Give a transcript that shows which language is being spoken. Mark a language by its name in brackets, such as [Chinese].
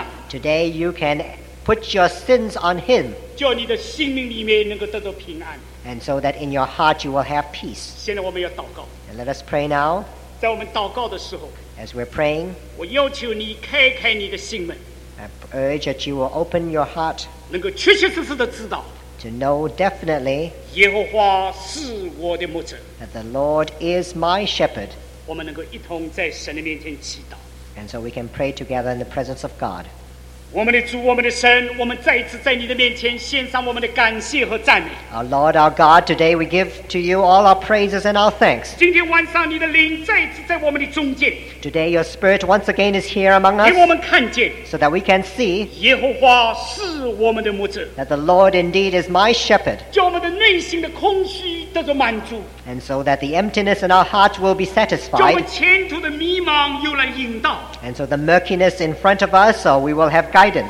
[English] Today you can put your sins on him. [Chinese] 叫你的心灵里面能够得到平安 [English] And so that in your heart you will have peace [Chinese] 现在我们要祷告 [English] And let us pray now [Chinese] 在我们祷告的时候 [English] As we're praying [Chinese] 我要求你开开你的心门 [English] I urge that you will open your heart [Chinese] 能够确确实实的知道 [English] to know definitely [Chinese] 耶和华是我的牧者 [English] that the Lord is my shepherd. [Chinese] 我们能够一同在神的面前祈祷 [English] And so we can pray together in the presence of God. [Chinese] 我们的主，我们的神，我们再一次在你的面前献上我们的感谢和赞美。 [English] Our Lord, our God, today we give to you all our praises and our thanks. [Chinese] 今天晚上你的灵再一次在我们的中间。 [English] Today your spirit once again is here among us. [Chinese] 给我们看见。 [English] So that we can see [Chinese] 耶和华是我们的牧者。 [English] That the Lord indeed is my shepherd. [Chinese] 叫我们的内心的空虚得到满足。 [English] And so that the emptiness in our hearts will be satisfied. [Chinese] 叫我们前途的迷茫有了引导。 [English] And so the murkiness in front of us, or we will have guidance.